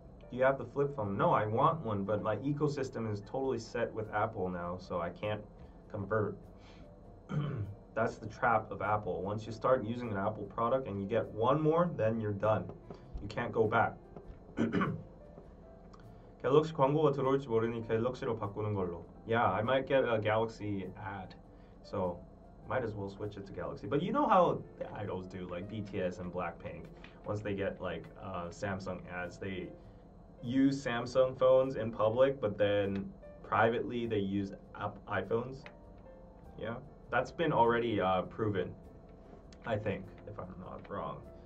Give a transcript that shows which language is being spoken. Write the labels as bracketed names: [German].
[English] You have the flip phone. No, I want one, but my ecosystem is totally set with Apple now, so I can't convert. That's the trap of Apple. Once you start using an Apple product and you get one more, then you're done. You can't go back. [Korean] 갤럭시 광고가 들어올지 모르니 갤럭시로 바꾸는 걸로. [English] Yeah, I might get a Galaxy ad, so might as well switch it to Galaxy. But you know how the idols do, like BTS and Blackpink. Once they get like Samsung ads, they use Samsung phones in public, but then privately they use iPhones. Yeah, that's been already proven, I think, if I'm not wrong.